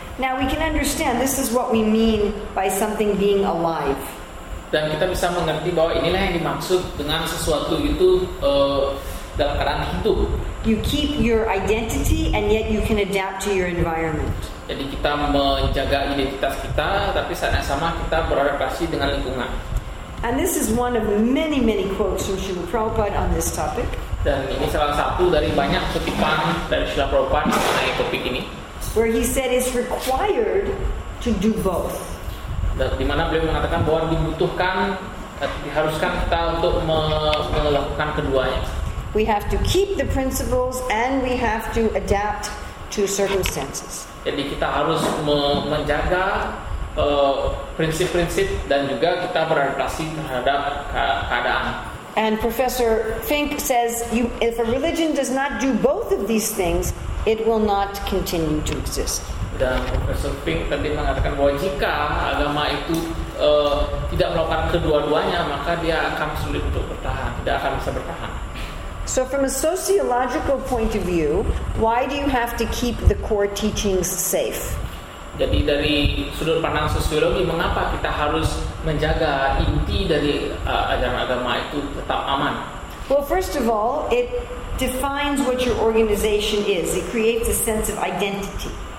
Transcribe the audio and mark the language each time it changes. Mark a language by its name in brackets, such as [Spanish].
[English] Now we can understand this is what we mean by something being alive. [Indonesian] Dan kita bisa mengerti bahwa inilah yang dimaksud dengan sesuatu itu dalam keadaan hidup. [English] You keep your identity and yet you can adapt to your environment. [Indonesian] Jadi kita menjaga identitas kita, tapi saat yang sama kita beradaptasi dengan lingkungan. [English] And this is one of many, many quotes from Srila Prabhupada on this topic. [Indonesian] Dan ini salah satu dari banyak kutipan dari Srila Prabhupada mengenai topik ini. [English] Where he said it's required to do both. [Indonesian] Di mana beliau mengatakan bahwa dibutuhkan, diharuskan kita untuk melakukan keduanya. [English] We have to keep the principles and we have to adapt to circumstances. [Indonesian] Jadi kita harus menjaga prinsip-prinsip dan juga kita beradaptasi terhadap keadaan. [English] And Professor Fink says, if a religion does not do both of these things, it will not continue to exist. [Indonesian] Dan Professor Fink tadi mengatakan bahwa jika agama itu tidak melakukan kedua-duanya, maka dia akan sulit untuk bertahan, tidak akan bisa bertahan. [English] So from a sociological point of view, why do you have to keep the core teachings safe? [Indonesian] Jadi dari sudut pandang sosiologi, mengapa kita harus menjaga inti dari ajaran agama itu tetap aman? [English] Well, first of all, it defines what your organization is. It creates a sense of identity.